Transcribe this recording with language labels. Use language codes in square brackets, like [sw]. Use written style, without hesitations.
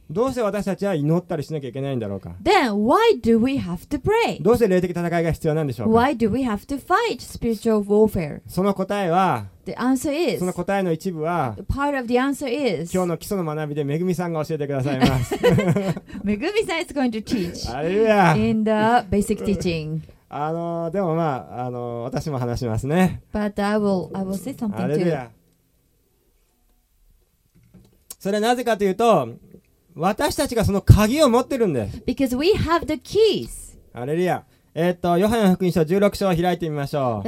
[ja] どうして私たちは祈ったりしなきゃいけないんだろうか、 [en] then why do we have to pray? [ja] どうして霊的戦いが必要なんでしょうか、 [en] why do we have to fight spiritual warfare? [ja] その答えは、 [en] the answer is, [ja] その答えの一部は、 [en] the part of the answer is, [ja] 今日の基礎の学びでめぐみさんが教えてくださいます。 [en] めぐみさん is going to teach in the basic teaching. [ja] でもまあ、私も話しますね。 [en] But I will say something too. Alleluia. [ja] それはなぜかというと、私たちがその鍵を持ってるんです。 [en] Because we have the keys. Alleluia. [ja] ヨハネ福音書16章を開いてみましょう。